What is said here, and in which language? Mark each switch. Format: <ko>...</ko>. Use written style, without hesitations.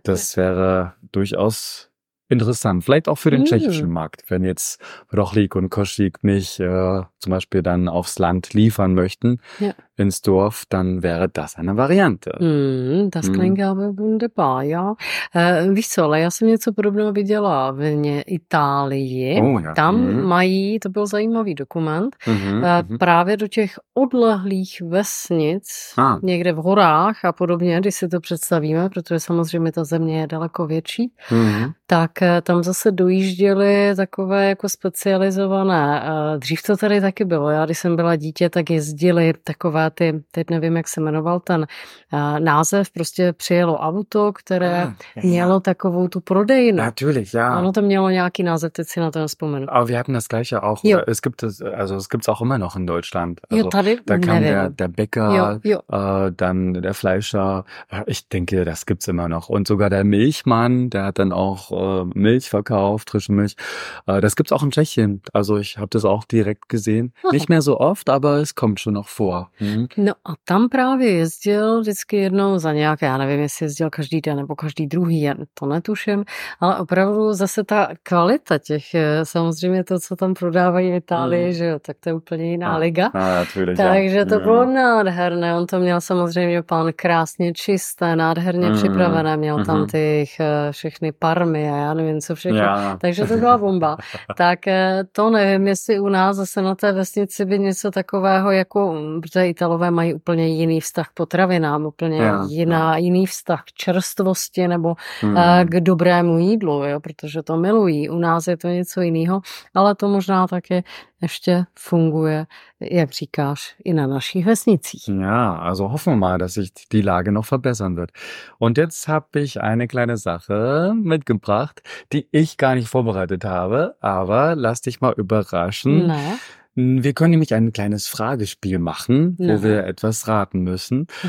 <de>das wäre durchaus interessant, vielleicht auch für den tschechischen Markt, wenn jetzt Rochlík und Košík mich zum Beispiel dann aufs Land liefern möchten, ins Dorf, dann wäre das eine Variante. Das klingt aber wunderbar, ja.</de> <cs>Víš co, ale já jsem něco podobného viděla v Itálii. Tam mají, to byl zajímavý dokument, právě do těch odlehlých vesnic, někde v horách a podobně, když si to představíme, protože samozřejmě ta země je daleko větší, tak tam zase dojížděly takové jako specializované. Dřív to tady taky bylo. Já, když jsem byla dítě, tak jezdili takové ty, teď nevím, jak se jmenoval ten název, prostě přijelo auto, které mělo takovou tu prodejnu.</cs> <de>Natürlich, ja.</de> <cs>Ono to mělo nějaký název, teď si na to nespomenu.</cs> <de>Aber wir haben das gleiche auch, es gibt es, also es gibt es auch immer noch in Deutschland. Also,</de> <cs>jo, tady da kam nevím.</cs> <de>Der Bäcker, dann der Fleischer, ich denke, das gibt es immer noch. Und sogar der Milchmann, der hat dann auch Milch verkauft, frische Milch. Das gibt's auch in Tschechien. Also ich habe das auch direkt gesehen. Nicht mehr so oft, aber es kommt schon noch vor.</de> <cs>No a tam právě jezdil vždycky jednou za nějaké, já nevím, jestli jezdil každý den nebo každý druhý, já to netuším, ale opravdu zase ta kvalita těch, samozřejmě to, co tam prodávají v Itálii, že jo, tak to je úplně jiná liga. Takže to bylo nádherné. On to měl samozřejmě pan krásně čisté, nádherně připravené. Měl tam těch všechny parmy a já nevím, co všechno. Takže to byla bomba. Tak to nevím, jestli u nás zase na té vesnici by něco takového, jako, protože Italové mají úplně jiný vztah k potravinám, úplně jiný vztah k čerstvosti nebo k dobrému jídlu, jo, protože to milují. U nás je to něco jiného, ale to možná taky ještě funguje, jak říkáš, i na našich vesnicích.</cs> <de>Ja, also hoffen wir mal, dass sich die Lage noch verbessern wird. Und jetzt habe ich eine kleine Sache mitgebracht, die ich gar nicht vorbereitet habe, aber lass dich mal überraschen. Na. Wir können nämlich ein kleines Fragespiel machen, wo wir etwas raten müssen.</de>